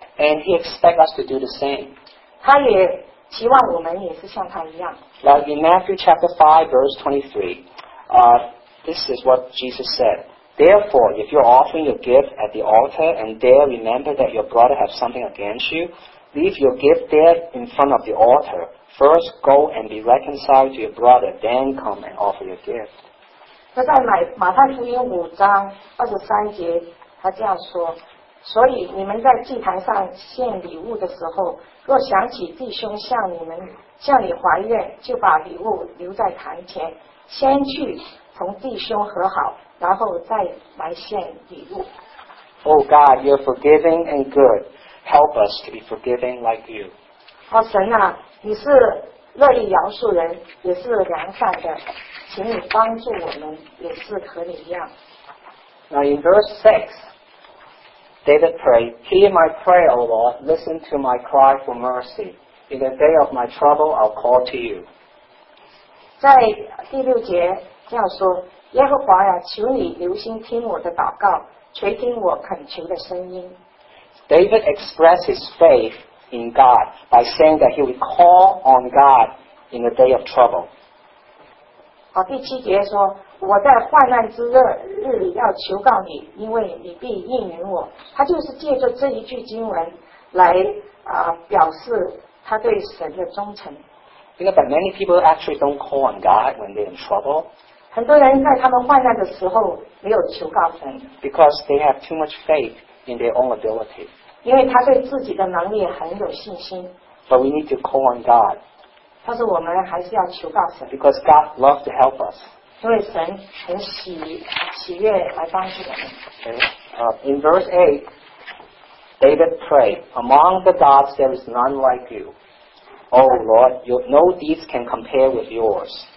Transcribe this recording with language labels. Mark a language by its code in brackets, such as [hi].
[en] And he expects us to do the same. [zh] 他也期望我们也是像他一样。 [en] Now in Matthew chapter 5 verse 23, this is what Jesus said. Therefore, if you're offering your gift at the altar and there remember that your brother has something against you, leave your gift there in front of the altar. First, go and be reconciled to your brother, then come and offer your gift. [zh] 那在马太福音五章二十三节，他这样说：所以你们在祭坛上献礼物的时候，若想起弟兄向你还愿，就把礼物留在坛前，先去同弟兄和好，然后再来献礼物。 [en] Oh God, you're forgiving and good. Help us to be forgiving like you. [zh] 哦，神啊，你是乐意饶恕人，也是良善的，请你帮助我们，也是和你一样。 [en] Now in verse 6, David prayed, Hear my prayer, O Lord, listen to my cry for mercy. In the day of my trouble, I'll call to you. [zh] 在第六节这样说，耶和华呀，求你留心听我的祷告，垂听我恳求的声音。 [en] David expressed his faith in God by saying that he would call on God in the day of trouble. [zh] 好，第七节说，我在患难之日里要求告你，因为你必应允我。他就是借着这一句经文来表示他对神的忠诚。 [en] You know, but many people actually don't call on God when they're in trouble. [zh] 很多人在他们患难的时候没有求告神。 [en] Because they have too much faith in their own ability. [zh] 因为他对自己的能力很有信心。 [en] But we need to call on God. [zh] 但是我们还是要求告神。 [en] Because God loves to help us. [zh] 因为神很喜悦来帮助我们。 [en] In verse 8, David prayed, Among the gods there is none like you. Oh Lord, no deeds can compare with yours.